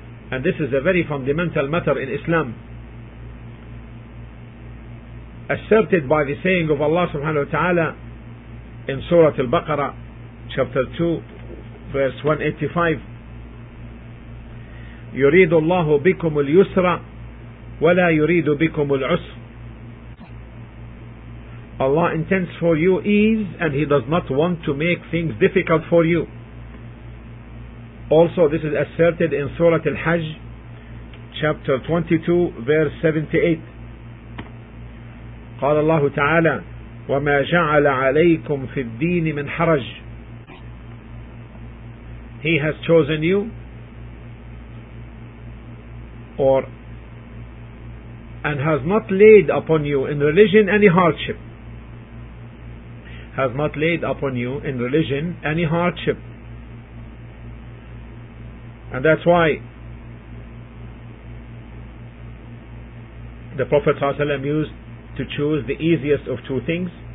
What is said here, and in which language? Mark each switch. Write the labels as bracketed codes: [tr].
[en] And this is a very fundamental matter in Islam, asserted by the saying of Allah subhanahu wa ta'ala in Surah Al-Baqarah, chapter 2, verse 185. [ar] يريد الله بكم اليسر ولا يريد بكم العسر. [en] Allah intends for you ease and he does not want to make things difficult for you. Also, this is asserted in Surah Al-Hajj, chapter 22, verse 78. [ar] قال الله تعالى وما جعل عليكم في الدين من حرج. [en] He has chosen you or and has not laid upon you in religion any hardship. Has not laid upon you in religion any hardship. And that's why the Prophet ﷺ used to choose the easiest of two things.